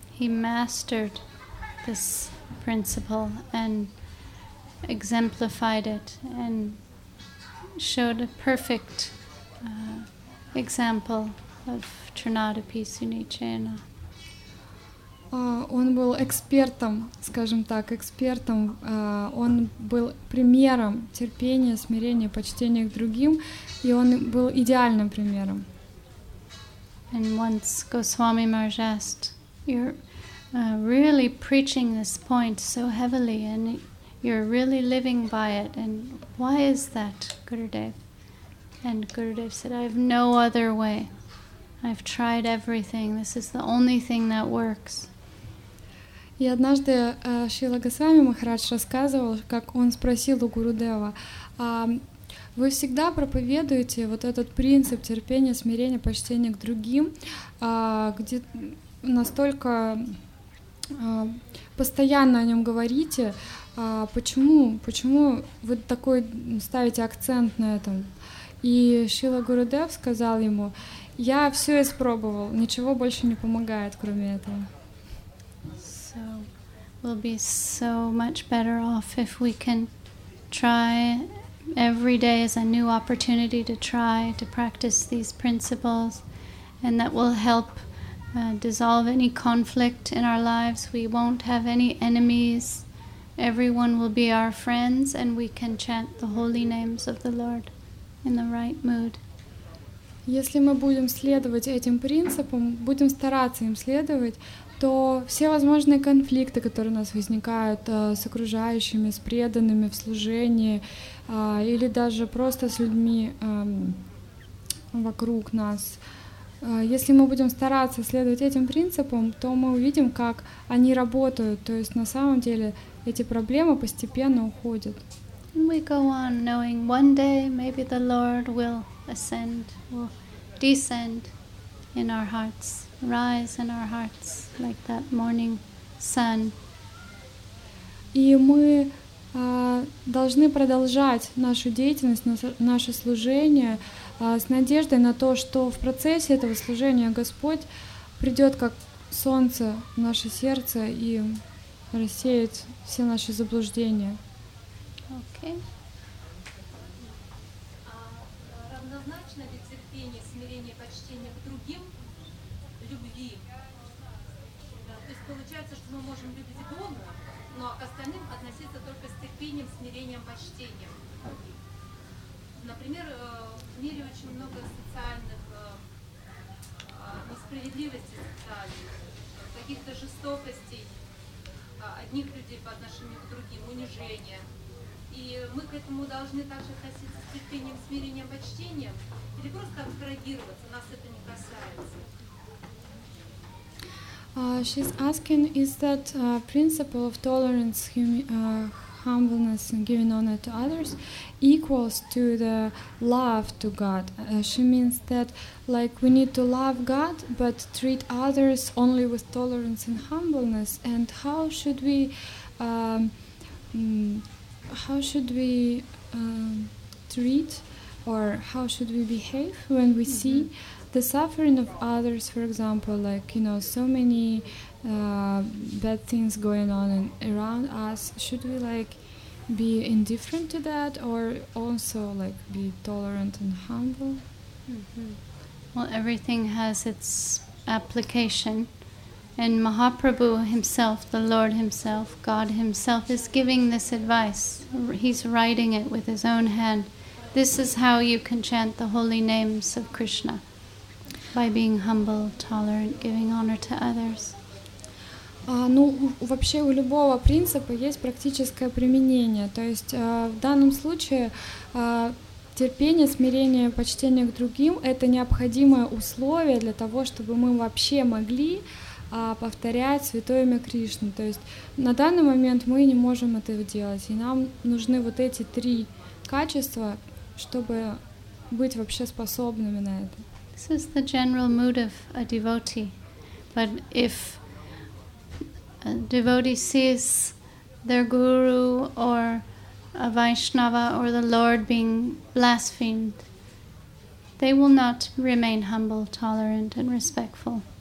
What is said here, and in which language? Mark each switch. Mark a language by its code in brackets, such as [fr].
[en] He mastered this principle and exemplified it and showed a perfect example of Trinadapi Sunichena. [ru] Он был экспертом, скажем так, экспертом. Он был примером терпения, смирения, почтения к другим, и он был идеальным примером. [en] And once Goswami Maharaj asked, "You're really preaching this point so heavily, and you're really living by it, and why is that, Gurudev?" And Gurudev said, "I have no other way. I've tried everything. This is the only thing that works." [ru] И однажды Шрила Госвами Махарадж рассказывал, как он спросил у Гурудева: "Вы всегда проповедуете вот этот принцип терпения, смирения, почтения к другим, где настолько постоянно о нем говорите. Почему вы такой ставите акцент на этом?" И Шрила Гурудев сказал ему: "Я все испробовал, ничего больше не помогает, кроме этого." [en] So we'll be so much better off if we can try every day as a new opportunity to try to practice these principles, and that will help dissolve any conflict in our lives. We won't have any enemies. Everyone will be our friends, and we can chant the holy names of the Lord in the right mood. [ru] Если мы будем следовать этим принципам, будем стараться им следовать, то все возможные конфликты, которые у нас возникают с окружающими, с преданными в служении, или даже просто с людьми вокруг нас, если мы будем стараться следовать этим принципам, то мы увидим, как они работают. То есть на самом деле эти проблемы постепенно уходят. [en] We go on knowing one day maybe the Lord will ascend, will descend in our hearts, rise in our hearts, like that morning sun. [ru] И мы должны продолжать нашу деятельность, наше служение с надеждой на то, что в процессе этого служения Господь придет как солнце в наше сердце и рассеет все наши заблуждения. Окей. Равнозначно ли терпение, смирение, почтение к другим любви? То есть получается, что мы можем любить Бога, но к остальным относиться только с терпением, смирением, почтением. Например, в мире очень много социальных несправедливостей социальных, каких-то жестокостей одних людей по отношению к другим, унижения. И мы к этому должны также относиться с терпением, смирением, почтением или просто абстрагироваться, нас это не касается. [en] She's asking, is that principle of tolerance, humbleness and giving honor to others equals to the love to God? She means that, like, we need to love God but treat others only with tolerance and humbleness, and how should we treat, or how should we behave when we mm-hmm. see the suffering of others, for example, like, you know, so many bad things going on in, around us. Should we, like, be indifferent to that, or also, like, be tolerant and humble? Mm-hmm. Well, everything has its application. And Mahaprabhu himself, the Lord himself, God himself, is giving this advice. He's writing it with his own hand. This is how you can chant the holy names of Krishna. By being humble, tolerant, giving honor to others. [ru] Ну, вообще у любого принципа есть практическое применение. То есть в данном случае терпение, смирение, почтение к другим — это необходимое условие для того, чтобы мы вообще могли повторять святое имя Кришны. То есть на данный момент мы не можем этого делать, и нам нужны вот эти три качества, чтобы быть вообще способными на это. [en] This is the general mood of a devotee. But if a devotee sees their guru or a Vaishnava or the Lord being blasphemed, they will not remain humble, tolerant and respectful.